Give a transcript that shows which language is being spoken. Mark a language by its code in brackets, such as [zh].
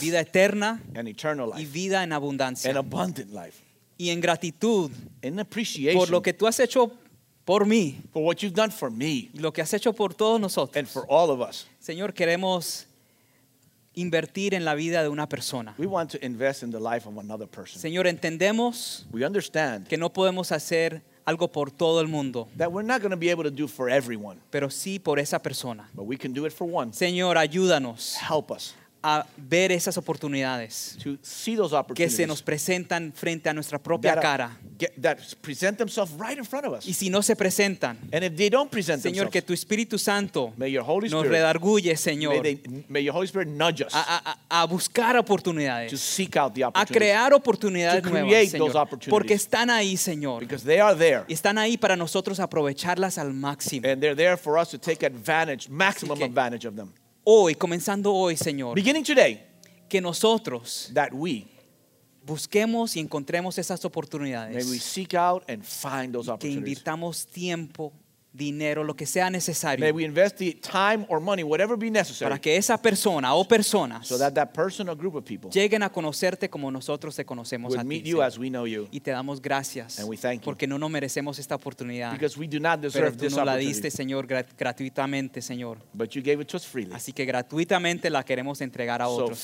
[es] Vida eterna. [en] And eternal life. [es] Y vida en abundancia. [en] An abundant life. [es] Y en gratitud. [en] In appreciation. [es] Por lo que tú has hecho por mí. [en] For what you've done for me. [es] Lo que has hecho por todos nosotros. [en] And for all of us. [es] Señor, queremos invertir en la vida de una persona. [en] We want to invest in the life of another person. [es] Señor, entendemos. [en] We understand. [es] Que no podemos hacer algo por todo el mundo. [en] That we're not going to be able to do for everyone. [es] Pero sí por esa persona. [en] But we can do it for one. [es] Señor, ayúdanos. [en] Help us. [es] A ver esas oportunidades. [en] To see those opportunities. [es] Que se nos presentan frente a nuestra propia cara. [en] That present themselves right in front of us. [es] Y si no se presentan. [en] And if they don't present [es] Señor, [en] themselves. [es] Que tu Espíritu Santo. [en] May your Holy Spirit. [es] Nos redarguye, Señor. [en] May your Holy Spirit nudge us. [es] A buscar oportunidades. [en] To seek out the opportunities. [es] A crear oportunidades nuevas, [en] create those opportunities. [es] Porque están ahí, Señor. [en] Because they are there. [es] Y están ahí para nosotros aprovecharlas al máximo. [en] And they're there for us to take advantage, maximum advantage of them. [es] Hoy, comenzando hoy, Señor. [en] Beginning today. [es] Que nosotros. [en] That we. [es] Busquemos y encontremos esas oportunidades. [en] May we seek out and find those opportunities. [es] Que invirtamos tiempo, dinero, lo que sea necesario. [en] May we invest the time or money, whatever be necessary. [es] Para que esa persona o personas. [en] So that that person or group of people. [es] Lleguen a conocerte como nosotros te conocemos a ti. [en] Will meet you as we know you. [es] Y te damos gracias. [en] And we thank you. [es] Porque no nos merecemos esta oportunidad. [en] Because we do not deserve this opportunity. [es] Pero tú nos la diste, Señor, gratuitamente, Señor. [en] But you gave it to us freely. [es] Así que gratuitamente la queremos entregar a otros, Señor.